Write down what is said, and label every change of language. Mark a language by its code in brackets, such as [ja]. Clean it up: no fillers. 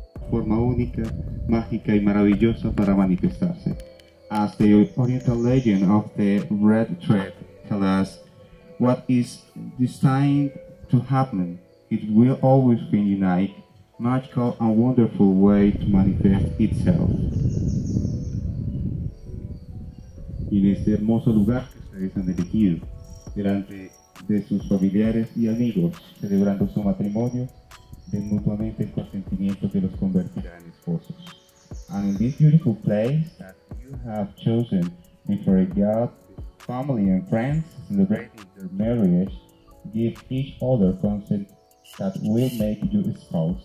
[es] Forma única, mágica y maravillosa para manifestarse. [en] As the oriental legend of the red thread tells us, what is destined to happen, it will always be unique, magical and wonderful way to manifest itself. [es] Y en este hermoso lugar que ustedes han elegido, delante de sus familiares y amigos, celebrando su matrimonio, de mutuamente el consentimiento que los convertirá en esposos. [en] And in this beautiful place that you have chosen before God, family and friends celebrating their marriage, give each other consent that will make you a spouse.